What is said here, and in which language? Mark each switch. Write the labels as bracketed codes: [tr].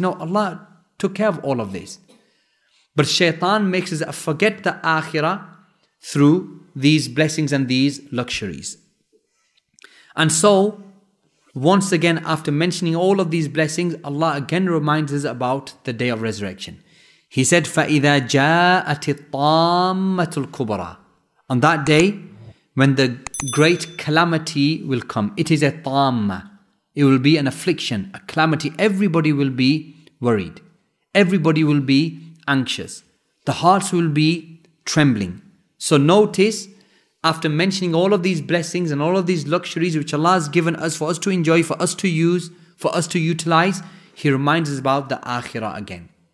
[en] No, Allah took care of all of this. But shaitan makes us forget the akhirah through these blessings and these luxuries. And so, once again, after mentioning all of these blessings, Allah again reminds us about the day of resurrection. He said, [ar] فَإِذَا جَاءَتِ الطَّامَّةُ الْكُبْرَى. [en] On that day, when the great calamity will come, it is a tamma. It will be an affliction, a calamity. Everybody will be worried. Everybody will be anxious. The hearts will be trembling. So notice, after mentioning all of these blessings and all of these luxuries which Allah has given us for us to enjoy, for us to use, for us to utilize, He reminds us about the akhirah again.